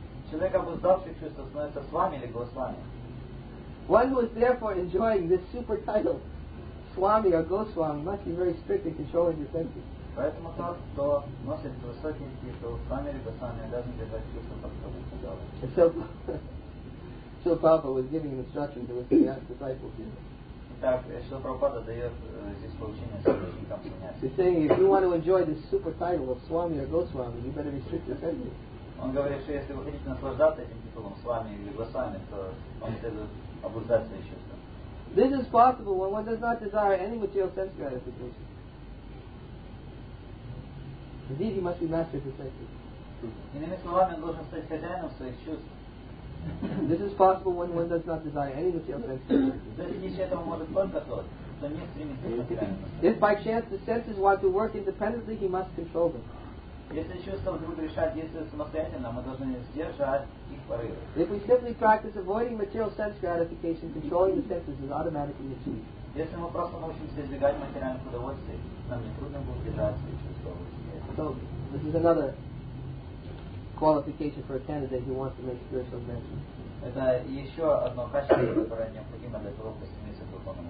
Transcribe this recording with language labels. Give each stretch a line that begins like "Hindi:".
Russian: Человек, обуздавший чувства, становится свами или госвами.
English: One who is therefore enjoying this super title, Swami or Goswami, must be very strict in controlling your senses.
Russian: Поэтому тот, кто носит высокий титул, Свами или Госвами, обязан держать чувства под контролем.
English: So Prabhupada was giving instruction to his disciples here.
Russian: Итак, Шрила Прабхупада дает здесь поучение своим ученикам понять.
English: He's saying, if you want to enjoy this super title of Swami or Goswami, you better restrict your senses.
Russian: Он говорит, что если вы хотите наслаждаться этим титулом с вами или гласами, то вам следует обуздать свои чувства.
English: This is possible when one does not desire any material sense gratification. Indeed, he must be master of his senses.
Russian: Иными словами, он должен стать хозяином своих чувств.
English: This is possible when one does not desire any material sense gratification. If by chance the senses want to work independently, he must control them.
Russian: Если чувства будут решать действовать самостоятельно, мы должны сдержать их порывы.
English: If we simply practice avoiding material sense gratification, controlling the senses is automatically achieved.
Russian: Если мы просто научимся избегать материальных удовольствий, нам не трудно будет держать свои чувства.
English: So this is another qualification for a candidate who wants to make spiritual advancement.
Russian: Это еще одно качество, которое необходимо для того, чтобы стремиться к духовному